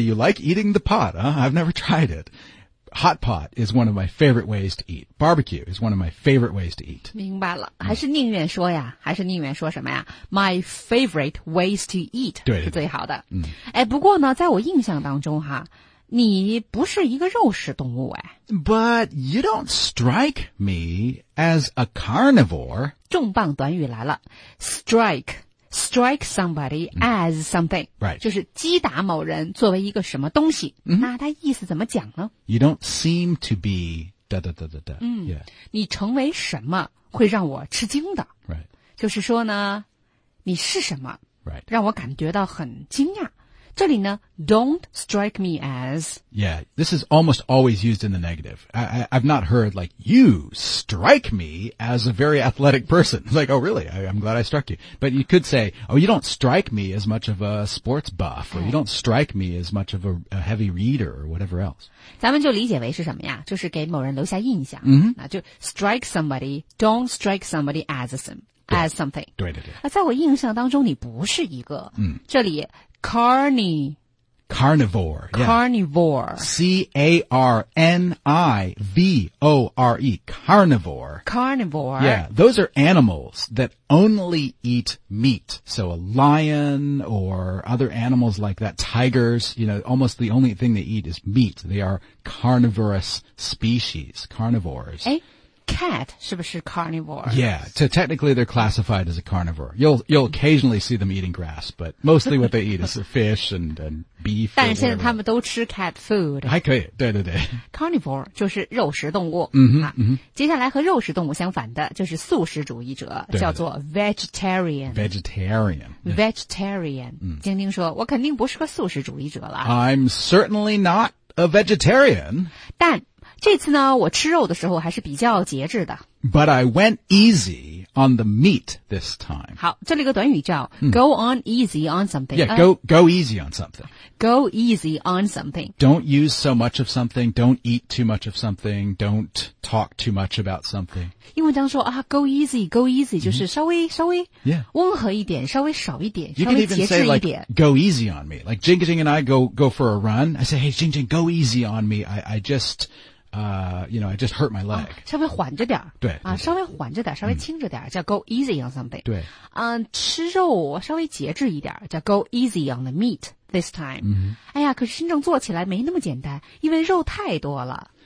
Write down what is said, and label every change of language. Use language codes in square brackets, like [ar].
[en] You like eating the pot, huh? I've never tried it. Hot pot is one of my favorite ways to eat. Barbecue is one of my favorite ways to eat. [zh] 明白了。还是宁愿说呀、嗯、还是宁愿说什么呀 ? [en] My favorite ways to eat [zh] 对对对是最好的。嗯、哎不过呢在我印象当中哈你不是一个肉食动物哎。 [en] But you don't strike me as a carnivore. [zh] 重磅短语来了。 [en] Strike somebody as something.、嗯、right. [zh] 就是击打某人作为一个什么东西。嗯、那他意思怎么讲呢 [en] ?You don't seem to be da da da da da. 嗯、yeah. [zh] 你成为什么会让我吃惊的。 [en] Right. [zh] 就是说呢你是什么 [en] Right. [zh] 让我感觉到很惊讶。这里呢 , [en] don't strike me as. Yeah, this is almost always used in the negative. I've not heard like, you strike me as a very athletic person. Like, oh really, I'm glad I struck you. But you could say, oh, you don't strike me as much of a sports buff, or you don't strike me as much of a heavy reader, or whatever else. [zh] 咱们就理解为是什么呀就是给某人留下印象。 Mm-hmm. [en] 那就 strike somebody, don't strike somebody as something. [zh] 对对对。那在我印象当中你不是一个。嗯。这里carnivore、 [en] yeah. carnivore C-A-R-N-I-V-O-R-E carnivore carnivore yeah those are animals that only eat meat so a lion or other animals like that tigers you know almost the only thing they eat is meat they are carnivorous species carnivores、 [zh] 欸Cat 是不是 carnivore? [en] Yeah, so technically they're classified as a carnivore. You'll occasionally see them eating grass, but mostly what they eat is fish and beef. [zh] 但现在他们都吃 cat food. 还可以，对对对。 Carnivore 就是肉食动物。嗯哼、啊、嗯哼。接下来和肉食动物相反的就是素食主义者，对对对叫做 vegetarian。 [en] Vegetarian. [zh] Vegetarian.、嗯、晶晶说：“我肯定不是个素食主义者了。” [en] I'm certainly not. a vegetarian. [zh] 但这次呢，我吃肉的时候还是比较节制的。 [en] But I went easy on the meat this time. [zh] 好，这里一个短语叫、 [en] go on easy on something. Yeah, go easy on something. Go easy on something. Don't use so much of something. Don't eat too much of something. Don't talk too much about something. [zh] 英文当说啊 , [en] go easy, [zh] 就是稍微、稍微、温和一点，稍微少一点，稍微节制一点。 [en] You can even say like, go easy on me. Like, Jing Jing and I go for a run. I say, hey, Jing Jing, go easy on me. I just hurt my leg.、 [zh] 稍微缓着点。对。啊稍微缓着点稍微轻着点、叫 [en] go easy on something. [zh] 对。吃肉稍微节制一点叫 [en] go easy on the meat this time.、 [zh] 哎呀可是真正做起来没那么简单因为肉太多了。